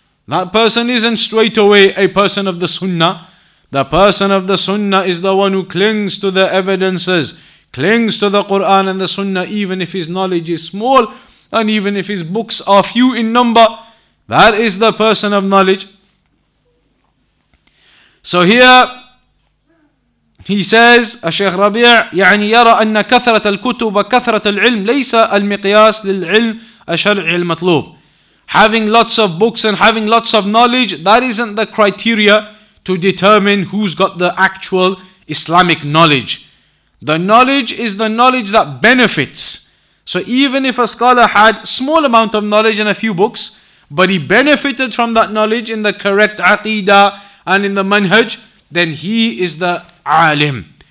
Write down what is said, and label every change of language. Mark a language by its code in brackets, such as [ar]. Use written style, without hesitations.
[en] That person isn't straight away a person of the Sunnah. The person of the Sunnah is the one who clings to the evidences, clings to the Quran and the Sunnah, even if his knowledge is small, and even if his books are few in number. That is the person of knowledge. So here, he says, [ar] Ash-Shaykh Rabi' يعني يرى أن كثرة الكتب وكثرة العلم ليس المقياس للعلم الشرعي المطلوب. [en] having lots of books and having lots of knowledge, that isn't the criteria to determine who's got the actual Islamic knowledge. The knowledge is the knowledge that benefits. So even if a scholar had small amount of knowledge and a few books, but he benefited from that knowledge in the correct aqidah and in the manhaj, then he is the alim.